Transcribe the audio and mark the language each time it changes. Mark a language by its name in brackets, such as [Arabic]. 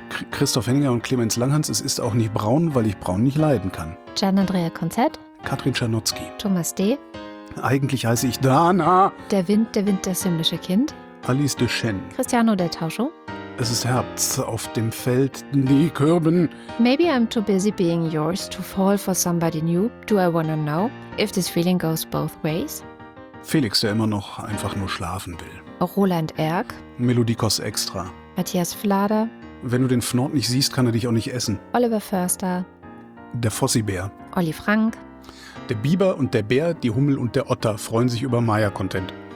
[German] Christoph Henninger und Clemens Langhans, es ist auch nicht braun, weil ich braun nicht leiden kann. Gian-Andrea Konzett. Katrin Czernotzki. Thomas D. Eigentlich heiße ich Dana. Der Wind, das himmlische Kind. Alice de Chen. Cristiano del Tauscho. Es ist Herbst, auf dem Feld die Kürben. [English] Maybe I'm too busy being yours to fall for somebody new. Do I wanna know if this feeling goes both ways? [German] Felix, der immer noch einfach nur schlafen will. Roland Erck. Melodikos Extra. Matthias Flader. Wenn du den Fnord nicht siehst, kann er dich auch nicht essen. Oliver Förster. Der Fossibär. Olli Frank. Der Biber und der Bär, die Hummel und der Otter freuen sich über Maya-Content.